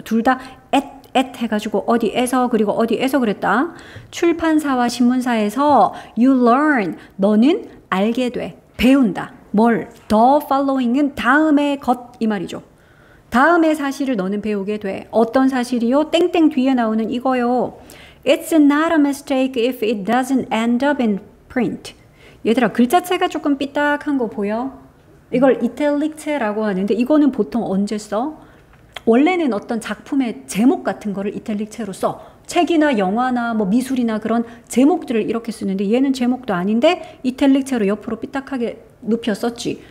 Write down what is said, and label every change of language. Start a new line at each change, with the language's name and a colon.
Korean: 둘 다 at 해가지고 어디에서 그리고 어디에서 그랬다. 출판사와 신문사에서
English: you learn
Korean: 너는 알게 돼. 배운다. 뭘?
English: The following
Korean: 은 다음의 것. 이 말이죠. 다음의 사실을 너는 배우게 돼. 어떤 사실이요? 땡땡 뒤에 나오는 이거요.
English: It's not a mistake if it doesn't end up in print.
Korean: 얘들아, 글자체가 조금 삐딱한 거 보여? 이걸 이탈릭체라고 하는데 이거는 보통 언제 써? 원래는 어떤 작품의 제목 같은 거를 이탈릭체로 써. 책이나 영화나 뭐 미술이나 그런 제목들을 이렇게 쓰는데 얘는 제목도 아닌데 이탈릭체로 옆으로 삐딱하게 눕혀 썼지.